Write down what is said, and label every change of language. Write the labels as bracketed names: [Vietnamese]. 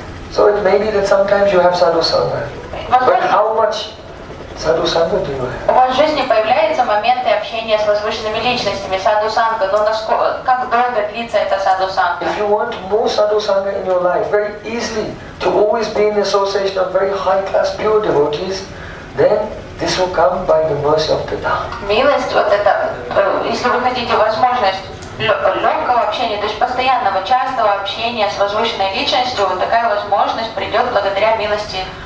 [English] So it may be that sometimes you have Sadhu Sangha. But how much Садху-санга ты [Russian] у вас в жизни появляются моменты общения с возвышенными личностями, садху-санга, но насколько, как долго длится эта садху-санга? [English] If you want more садху-санга in your life, very easily, to always be in association of very high-class pure devotees, then this will come by the mercy of the Dham. [Russian] Милость, вот это, если вы хотите возможность легкого общения, то есть постоянного, частого общения с возвышенной личностью, вот такая возможность придет благодаря милости